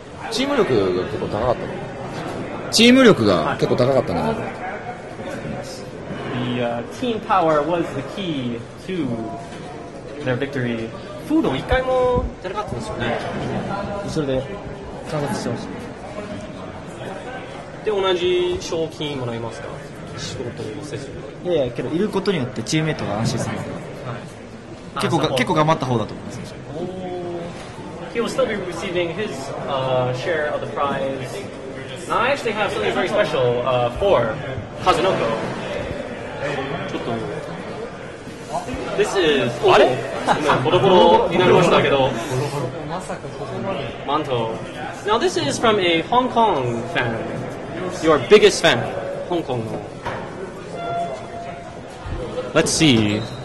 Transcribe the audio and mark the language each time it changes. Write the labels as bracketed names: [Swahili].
[Japanese] チーム力が結構高かったの。チーム力が結構高かったな。 [English] The team power was the key to their victory. [Japanese] フード一回も出なかったんですよね。それで完結しました。で、同じ賞金もらえますか？仕事をせず。いやいや、けどいることによってチームメイトが安心するので、はい、結構頑張った方だと思います。 [English] Oh, he will still be receiving his share of the prize. Now, I actually have something very special for Kazunoko. [Japanese] ちょっと。 [English] This is... [Japanese] あれ？ボロボロになりましたけど。まさかここまで。マント。 [English] Now, this is from a Hong Kong fan. Your biggest fan, Hong Kong. Let's see.